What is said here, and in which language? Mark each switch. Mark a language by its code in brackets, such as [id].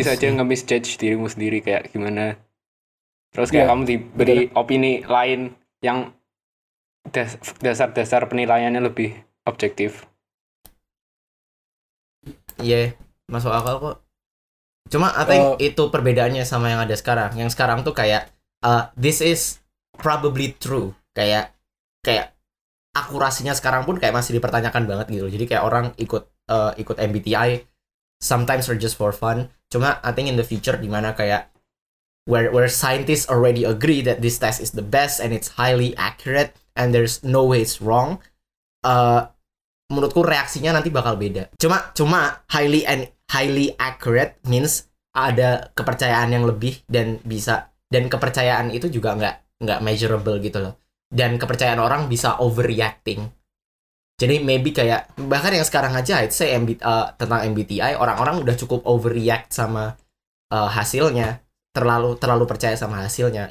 [id] Bisa aja nge-misjudge dirimu sendiri kayak gimana. Terus kayak kamu diberi opini lain yang dasar-dasar penilaiannya lebih objektif. Iya, masuk akal kok. Cuma [en] I think [id] itu perbedaannya sama yang ada sekarang. Yang sekarang tuh kayak [en] this is probably true. [id] Kayak akurasinya sekarang pun kayak masih dipertanyakan banget gitu. Jadi kayak orang ikut ikut MBTI [en] sometimes or just for fun. [id] Cuma [en] I think in the future [id] dimana kayak [en] where scientists already agree that this test is the best and it's highly accurate and there's no way it's wrong. [id] Menurutku reaksinya nanti bakal beda. Cuma [en] highly accurate means [id] ada kepercayaan yang lebih dan bisa, dan kepercayaan itu juga nggak measurable gitu loh. Dan kepercayaan orang bisa [en] overreacting. [id] Jadi maybe kayak bahkan yang sekarang aja [en] I'd say [id] tentang MBTI orang-orang udah cukup [en] overreact [id] sama hasilnya, terlalu percaya sama hasilnya.